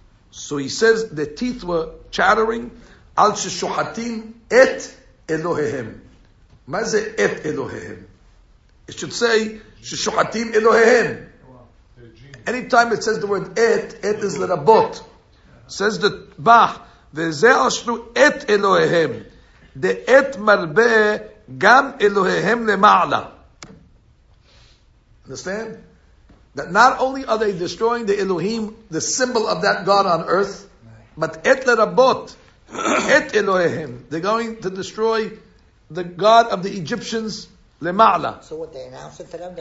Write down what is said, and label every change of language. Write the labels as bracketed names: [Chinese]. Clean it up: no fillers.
[English] So he says, the teeth were chattering, [Hebrew] על ששוחטים את אלוהיהם. מה זה את אלוהיהם? [English] It should say, [Hebrew] ששוחטים אלוהיהם. [English] Anytime it says the word את, את is לרבות. Says the Bach, [Hebrew] וזה על שנו את אלוהיהם. דעת מרבה גם אלוהיהם למעלה. [English] Understand? That not only are they destroying the Elohim, the symbol of that God on earth, but [Hebrew] את לרבות, את אלוהיהם. [English] They're going to destroy the God of the Egyptians למעלה. So what, they announced it to them?